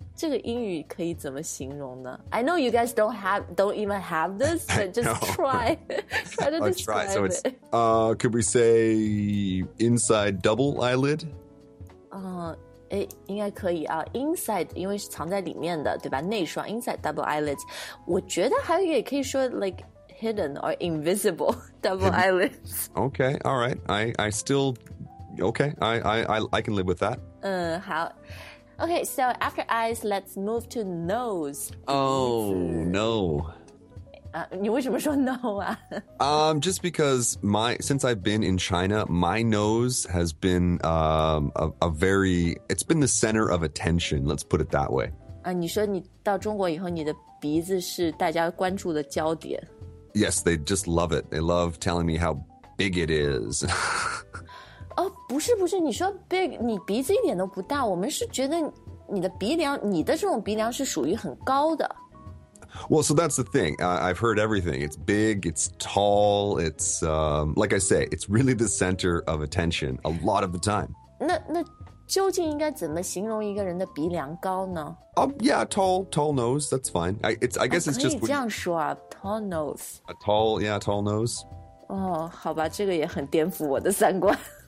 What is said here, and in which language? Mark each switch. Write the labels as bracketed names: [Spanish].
[Chinese] 这个英语可以怎么形容呢？ [English] I know you guys don't even have this, but just try. Try to describe So it's, could we say inside double eyelid? [Chinese] 应该可以啊。 [English] Inside, [Chinese] 因为是藏在里面的，对吧？内双 [English] inside double eyelids. [Chinese] 我觉得还也可以说 [English] like hidden or invisible double eyelids. Okay, all right. I still, okay, I can live with that. [Chinese] 好。 [English] Okay, so after eyes, let's move to nose. Oh, no. [Chinese] 你为什么说 no 啊? [English] Just because since I've been in China, my nose has been it's been the center of attention, let's put it that way. [Chinese] 你说你到中国以后你的鼻子是大家关注的焦点。 [English] Yes, they just love it. They love telling me how big it is. [Chinese] 不是不是，你说 big, 你鼻子一点都不大，我们是觉得你的鼻梁，你的这种鼻梁是属于很高的。 [English] Well, so that's the thing. I've heard everything. It's big, it's tall, it's, like I say, it's really the center of attention a lot of the time. [Chinese] 那究竟应该怎么形容一个人的鼻梁高呢? [English] Yeah, tall nose, that's fine. I guess it's just... [Chinese] 可以这样说啊, [English] tall nose. Tall nose. [Chinese] 好吧，这个也很颠覆我的三观。